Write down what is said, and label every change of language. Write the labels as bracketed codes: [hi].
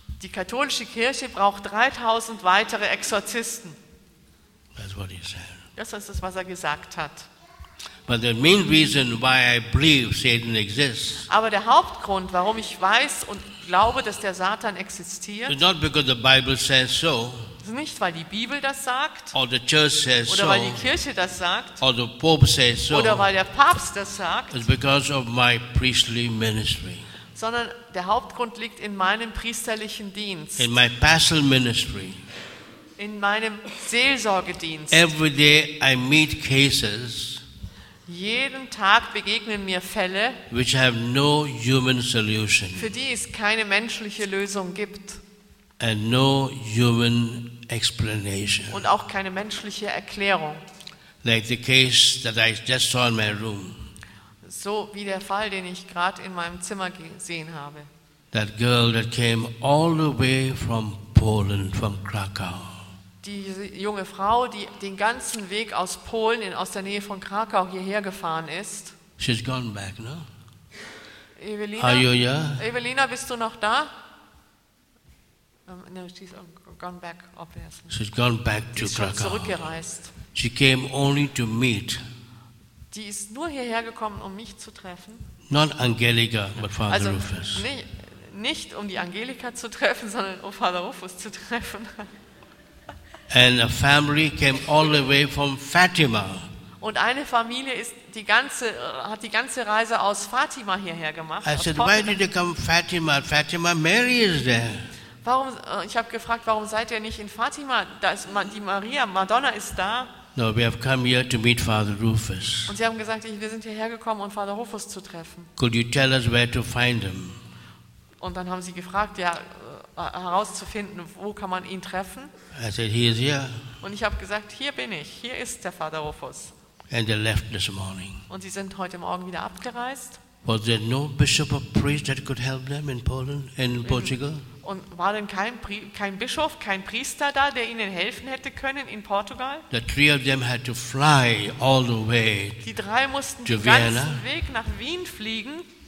[de] Die katholische Kirche braucht 3000 weitere Exorzisten. [en] That's what he said. [de] Das ist es, was er gesagt hat. [en] But the main reason why I believe Satan exists. [de] Aber der Hauptgrund, warum ich weiß und glaube, dass der Satan existiert. [en] Is not because the Bible says so. [de] Nicht, weil die Bibel das sagt. [en] Or the church says [de] so. Oder weil die Kirche das sagt. [en] Or the Pope says so. [de] Oder weil der Papst das sagt. [en] It's because of my priestly ministry. [de] Sondern der Hauptgrund liegt in meinem priesterlichen Dienst. [en] In my pastoral ministry. [de] In meinem Seelsorgedienst. [en] Every day I meet cases. [de] Jeden Tag begegnen mir Fälle, [en] which have no human solution. [de] Für die es keine menschliche Lösung gibt. [en] And no human explanation. [de] Und auch keine menschliche Erklärung. [en] Like the case that I just saw in my room. [de] So wie der Fall, den ich gerade in meinem Zimmer gesehen habe. [en] That girl that came all the way from Poland, from Krakow. [de] Die junge Frau, die den ganzen Weg aus Polen, aus der Nähe von Krakau hierher gefahren ist. [en] She's gone back, no? Evelina, are you [de] Evelina, bist du noch da? [en] No, she's gone back, obviously. She's gone back to Krakau. [de] Sie ist zurückgereist. [en] She came only to meet. [de] Die ist nur hierher gekommen, um mich zu treffen. [en] Not Angelica, but Father [de] also, Rufus. Nicht um die Angelika zu treffen, sondern um Father Rufus zu treffen. [en] And a family came all the way from Fatima. [de] Und eine Familie ist hat die ganze Reise aus Fatima hierher gemacht. [en] I said, why did you come Fatima? Fatima Mary is there. [de] Warum? Ich habe gefragt, warum seid ihr nicht in Fatima? Da ist die Maria, Madonna ist da. [en] No, we have come here to meet Father Rufus. [de] Und sie haben gesagt, wir sind hierher gekommen, um Father Rufus zu treffen. [en] Could you tell us where to find him? [de] Und dann haben sie gefragt, ja, herauszufinden, wo kann man ihn treffen? [en] I said, he is here. [de] Und ich habe gesagt, hier bin ich, hier ist der Father Rufus. [en] And they left this morning. [de] Und sie sind heute Morgen wieder abgereist. [en] Was there no bishop or priest that could help them in Poland and in Portugal? [de] Und war denn kein Bischof, kein Priester da, der ihnen helfen hätte können in Portugal? [en] The three of them had to fly all the way. [de] Die drei mussten den ganzen Weg nach Wien fliegen.